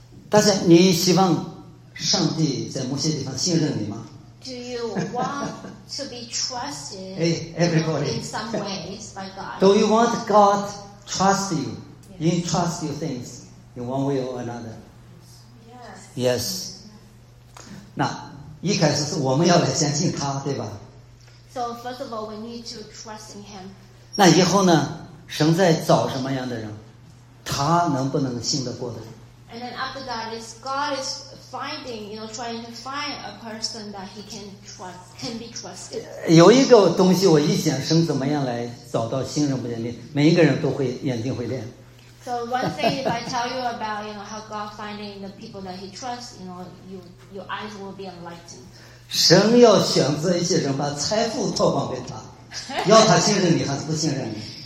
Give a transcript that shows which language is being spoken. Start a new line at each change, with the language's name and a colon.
Chinese: 但是你希望上帝在某些地方信任你吗？
English: Do you want to be trusted, hey, everybody, in some ways by God? Do you want God trust you? Entrust you things in one way or another? Yes.
Chinese: 那一开始是我们要来相信他，对吧？
English: So So first of all, we need to trust in him.
Chinese: 那以后呢？神在找什么样的人？他能不能信得过的人
English: ？And then after that, is God is finding, you know, trying to find a person that he can trust, can be trusted.
Chinese: 有一个东西，我一想，神怎么样来找到新人不见定？每一个人都会眼睛会亮。
English: So one thing, if I tell you about, you know, how God finding the people that he trusts, you know, your eyes will be enlightened.
Chinese: 神要选择一些人，把财富托放给他，要他信任你还是不信任你？